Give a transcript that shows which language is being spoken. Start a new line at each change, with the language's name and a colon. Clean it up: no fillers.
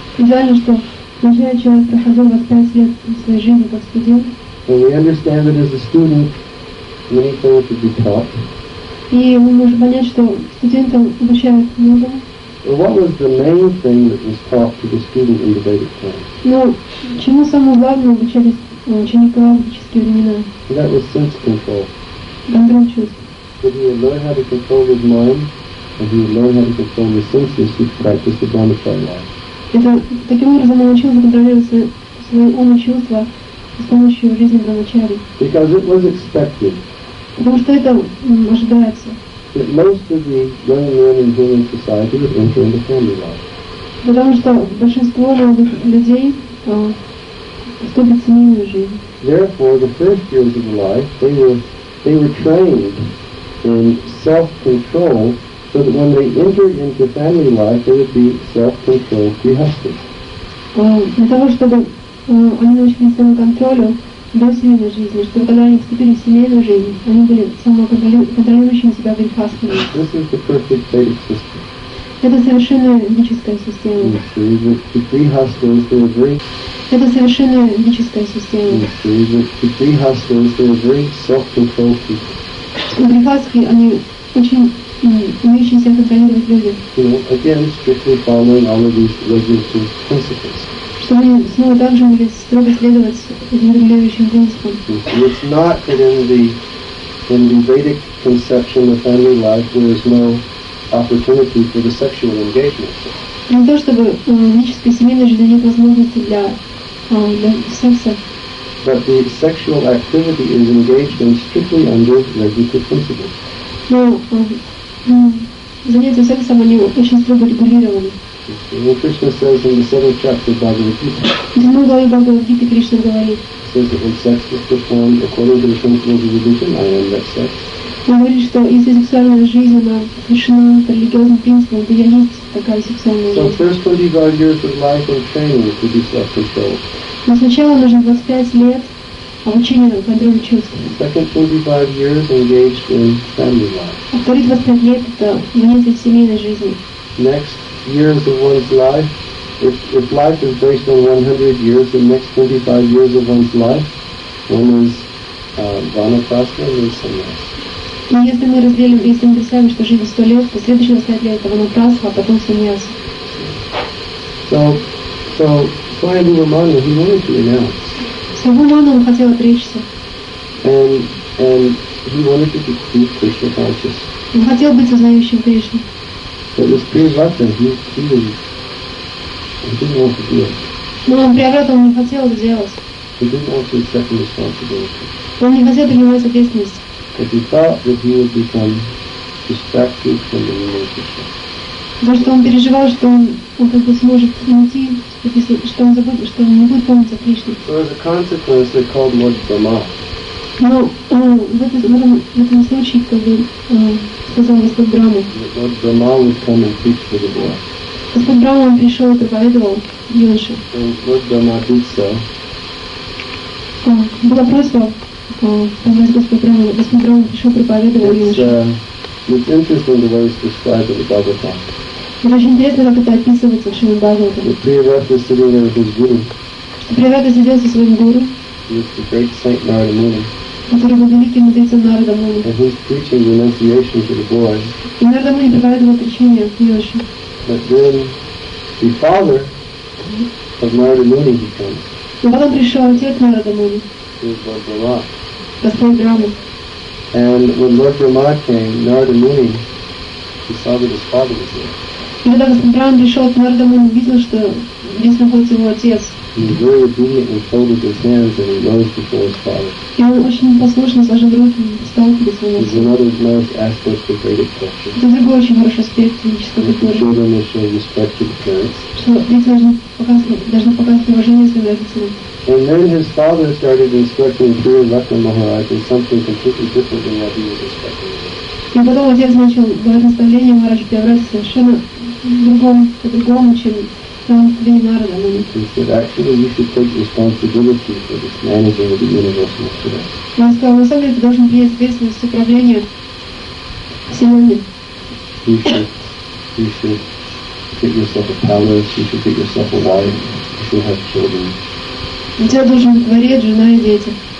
Russian: Идеально, что нужно человек проходил 25 лет своей жизни как студент.
English: When we understand that as a student, many things should be taught.
Russian: И мы можем понять, что студентам обучают много.
English: Well, what was the main thing that was taught to the student in the Vedic times?
Russian: Ну, чему самое главное обучали ученика в ведические времена?
English: That was sense control.
Russian: Контроль чувств.
English: Did he learn how to control his mind? Or did he learn how to control his senses to practice the brahmacharya life?
Russian: Это таким образом он учился контролировать свой ум и чувства с помощью жизни брахмачари.
English: Because it was expected.
Russian: Потому что это ожидается.
English: That most of the young men in human society would enter into family life.
Russian: Потому что большинство молодых людей вступит в семейную жизнь.
English: Therefore, the first years of life, they were trained in self-control, so that when they entered into family life, they would be self-controlled grihastha.
Russian: Для того чтобы они научились самоконтролю до семейной жизни, чтобы когда они вступили в семейную жизнь, они были самоконтролирующими себя грихастами.
English: This is the perfect Vedic system.
Russian: Это совершенно ведическая система.
English: You see, the grihasthas, they are very.
Russian: Это совершенно ведическая система.
English: You see, the grihasthas, they are very self-controlled people.
Russian: Грихасхи, они очень умеющие себя контролировать люди.
English: Again, strictly following all of these regulative principles.
Russian: Чтобы они снова также могли строго следовать этим регулирующим принципам.
English: It's not that in the Vedic conception of family life there is no opportunity for the sexual engagement.
Russian: Не то, чтобы в ведической семейной жизни нет возможности для секса.
English: But the sexual activity is engaged in strictly under regulative principles.
Russian: Но занятия сексом они очень строго регулированы.
English: Well, Krishna says in the 7th chapter of Bhagavad Gita.
Russian: Седьмой главе Бхагавад Гиты Кришна говорит.
English: Says that when sex is performed according to the principles of religion, I am that sex.
Russian: Он говорит, что если сексуальная жизнь она совершена по религиозным принципам, то я есть такая сексуальная жизнь.
English: So first 25 years of life and training to be self-controlled.
Russian: Но сначала нужно 25 лет обучения контролю чувств.
English: Second 25 years engaged in family life.
Russian: А вторые 25 лет это занятие семейной жизни.
English: Next years of one's life, if life is based on 100 years, the next 25 years of one's life, one is vanaprastha and sannyas.
Russian: Но если мы разделим, если мы представим, что жизнь 100 лет, то следующие 25 лет это ванапрастха, а потом сannyas.
English: So Swayambhuvamana, he wanted to renounce.
Russian: Swayambhuvamana, он хотел отречься.
English: And he wanted to be Krishna conscious.
Russian: Он хотел быть сознающим Кришну.
English: But with Priyavrata, he didn't want to do it.
Russian: Но он Priyavrata, он не хотел это делать.
English: He didn't want to accept responsibility.
Russian: Он не хотел принимать ответственность.
English: Because he thought that he would become distracted from the name of Krishna.
Russian: Потому что он переживал, что он как бы сможет уйти, что он забудет, что он не будет помнить о Кришне.
English: So as a consequence, they called Lord Brahma.
Russian: Но в этом случае, как бы, сказал Господь Брама.
English: Lord Brahma would come and preach to the boy.
Russian: Господь Брама, он пришел и проповедовал юноше.
English: And Lord Brahma did so.
Russian: Была просьба, позвать Господь Брама. Господь Брама пришел и проповедовал юноше.
English: It's interesting the way it's described in the Bhagavatam.
Russian: Это очень интересно, как это описывается в Шримад Бхагаватам.
English: Priyavrata is sitting there with his guru.
Russian: Что Priyavrata сидел со своим гуру.
English: He's the great saint Narada Muni.
Russian: Который был великим мудрецом Нарада Муни.
English: And he's preaching renunciation to the boy.
Russian: И Нарада Муни проповедовал отречение к юноше.
English: But then the father of Narada Muni he comes.
Russian: Но потом пришел отец Нарада Муни.
English: He's Lord Brahma.
Russian: Господь Брама.
English: And when Lord Brahma came, Narada Muni, he saw that his father was there.
Russian: И когда Господь Брама пришел к Нарада Муни, он увидел, что здесь находится его отец.
English: He very obediently folded his hands and he rose before his father.
Russian: И он очень послушно сложил руки и встал перед своим отцом.
English: It's another nice aspect of Vedic culture.
Russian: Это другой очень хороший аспект ведической культуры.
English: The children must show respect to the parents.
Russian: Что дети должны показывать уважение своим родителям.
English: And then his father started instructing Priyavrata Maharaj in something completely different than what he was expecting.
Russian: И потом отец начал давать наставление Махараджу Приаврате совершенно другому, чем
English: He said, actually, you should take responsibility for this managing of the universe yesterday. You should get yourself a palace, you should get yourself a wife, you should have children.